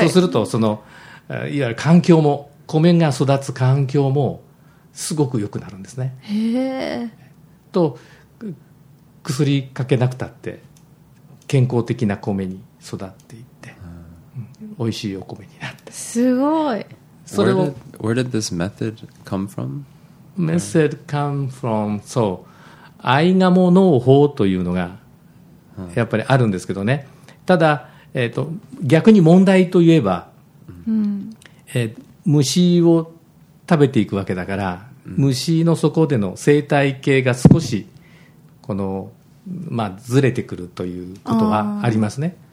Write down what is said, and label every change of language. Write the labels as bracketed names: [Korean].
[Japanese] そうするとそのいわゆる環境も米が育つ環境もすごく良くなるんですね。へえ。と薬かけなくたって健康的な米に育っていって、うん、美味しいお米になって、すごい。 [English] Where did this method come from? Method come from, [Japanese] so, アイガモ農法というのがやっぱりあるんですけどね。ただ、逆に問題といえば、うん、虫を食べていくわけだから、うん、虫の底での生態系が少しこの、まあ、ずれてくるということはありますね。